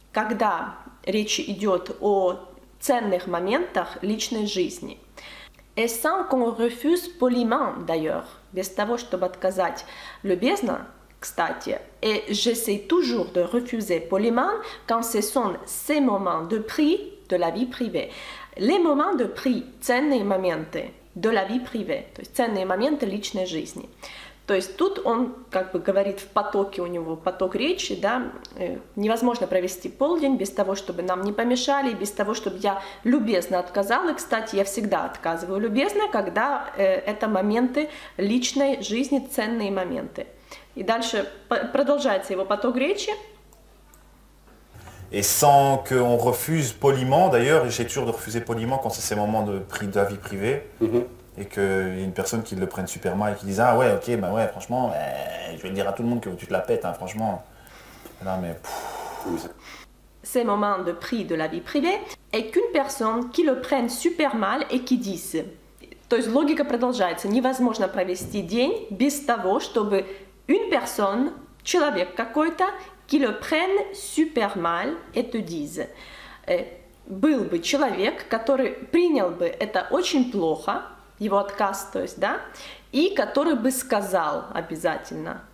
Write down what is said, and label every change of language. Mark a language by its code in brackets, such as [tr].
[ru] когда речь идет о ценных моментах личной жизни. [fr] Et sans qu'on refuse poliment, d'ailleurs, [ru] без того, чтобы отказать любезно, кстати. [fr] Et j'essaie toujours de refuser poliment quand ce sont ces moments de prix de la vie privée. Les moments de prix, [ru] ценные моменты [fr] de la vie privée, [ru] то есть ценные моменты личной жизни. То есть тут он как бы говорит в потоке у него, поток речи, да, невозможно провести полдень без того, чтобы нам не помешали, без того, чтобы я любезно отказала. Кстати, я всегда отказываю любезно, когда это моменты личной жизни, ценные моменты. И дальше продолжается его поток речи. [fr] Et sans qu'on refuse poliment, d'ailleurs, j'ai toujours de refuser poliment quand c'est ces moments de la vie privée. Et qu'il y a une personne qui le prenne super mal et qui dise ah ouais ok bah ouais franchement je vais le dire à tout le monde que tu te la pètes hein, franchement là mais ces moments de prix de la vie privée et qu'une personne qui le prenne super mal et qui dise [ru] то есть логика продолжается невозможно провести день без того чтобы [fr] une personne [ru] человек какой-то [fr] qui le prenne super mal et te dise [ru] был бы человек который принял бы это очень плохо его отказ, то есть, да, и который бы сказал обязательно.